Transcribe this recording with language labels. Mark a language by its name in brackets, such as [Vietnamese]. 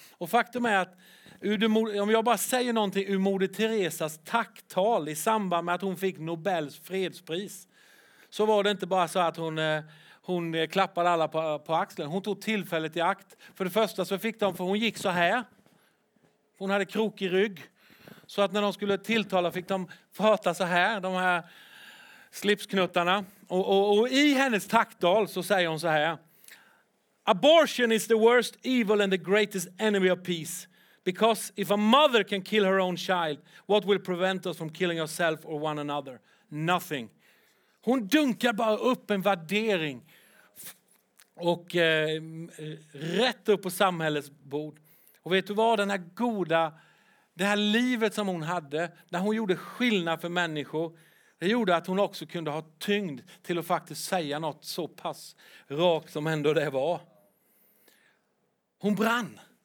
[Swedish] Och faktum är att om jag bara säger någonting ur Moder Teresas tacktal i samband med att hon fick Nobels fredspris, så var det inte bara så att hon klappade alla på axeln. Hon tog tillfället i akt. För det första så fick de, för hon gick så här. Hon hade krok i rygg. Så att när de skulle tilltala fick de prata så här, de här slipsknuttarna. Och i hennes tacktal så säger hon så här. [English] Abortion is the worst evil and the greatest enemy of peace. Because if a mother can kill her own child, what will prevent us from killing ourselves or one another? Nothing. [Swedish] Hon dunkar bara upp en värdering och rätt upp på samhällets bord. Och vet du vad? Den här goda, det här livet som hon hade, där hon gjorde skillnad för människor, det gjorde att hon också kunde ha tyngd till att faktiskt säga något så pass rakt som ändå det var. Hon brann.